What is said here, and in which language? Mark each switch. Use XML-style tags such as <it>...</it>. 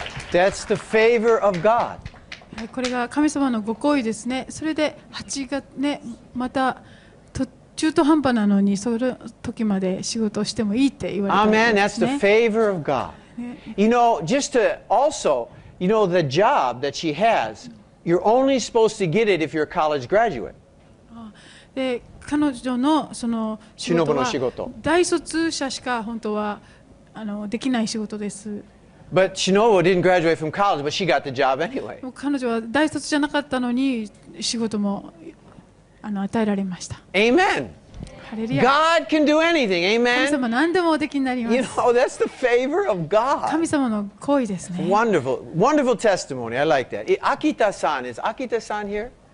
<en>That's the favor of God.</en> <ja>これが神様のご厚意ですね。それで8月ね、また中途半端なのにその時まで仕事をしてもいいって言われたんですね。</ja> <en>Amen. That's the favor of God. You know, just to also, you know, the job that she has, you're only supposed to get it if you're a college graduate.</en> <ja>で彼女のその仕事は、忍の仕事、大卒者しか本当はできない仕事です。</ja> <en>But Shinobu didn't graduate from college, but she got the job anyway.</en> <ja>彼女は大卒じゃなかったのに仕事も与えられました。</ja> <en>Amen. Hallelujah. God can do anything. Amen.</en> <ja>神様何でもできになります。</ja> <en>You know, that's the favor of God.</en> <ja>神様の行為ですね。</ja> <en>Wonderful, wonderful testimony. I like that. Akita-san, is Akita-san here?</en>